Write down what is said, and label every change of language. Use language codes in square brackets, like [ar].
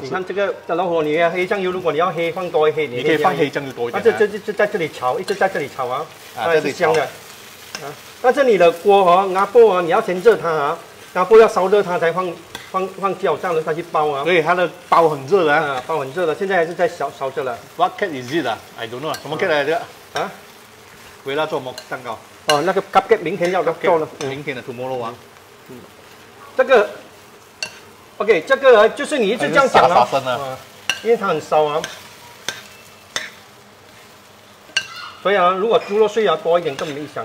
[zh] 下。你看这个大老虎，你要黑酱油，如果你要黑，放多一黑。你可以放黑酱油多一点、啊。这在这里炒，一直在这里炒啊，啊，这里香的。啊，但是你的锅哈、哦，阿波啊，你要先热它啊，阿波要烧热它才放掉，这样子它去包啊。对，它的包很热的啊，包很热的，现在还是在烧着了。 [en] What cake is it 啊 ？I don't know， [zh] 什么 cake 来着？啊，维拉做什么蛋糕？哦，那个 cupcake 明天要做了，明天的 tomorrow 啊。这个 ，OK， 这个就是你一直这样讲啊，因为它很烧啊。所以啊，如果猪肉碎要多一点，更理想。